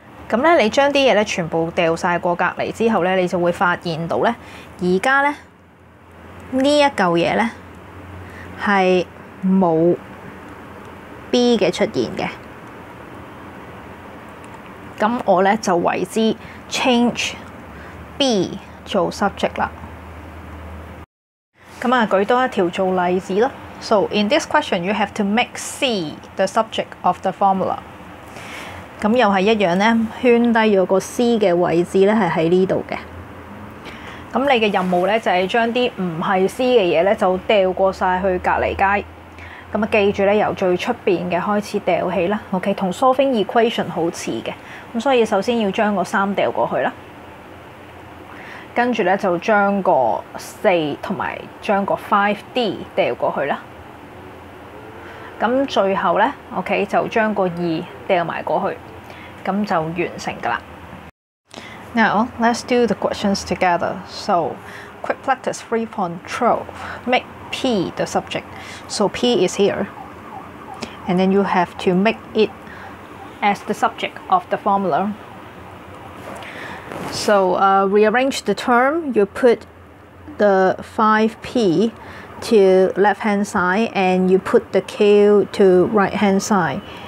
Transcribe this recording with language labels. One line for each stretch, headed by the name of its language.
Cantonese: 咁咧你將啲嘢咧全部掉曬過隔離之後咧，你就會發現到咧，而家咧呢一嚿嘢咧係冇B 嘅出現嘅，咁我咧就為之 change B 做 subject 啦。咁啊，舉多一條做例子咯。
English: So in this question, you have to make C the subject of the formula。
Cantonese: 咁又係一樣咧，圈低咗個 C 嘅位置咧，係喺呢度嘅。咁你嘅任務咧就係將啲唔係 C 嘅嘢咧就掉過曬去隔離街。咁啊，記住咧，由最出邊嘅開始掉起啦。OK， 同 solving equation 好似嘅。咁所以首先要將個三掉過去啦，跟住咧就將個四同埋將個 5D 掉過去啦。咁最後咧 ，OK， 就將個二掉埋過去，咁就完成噶啦。
English: Now let's do the questions together. So quick practice 3.12 make P the subject, so P is here, and then you have to make it as the subject of the formula. So rearrange the term, you put the 5P to left hand side, and you put the Q to right hand side.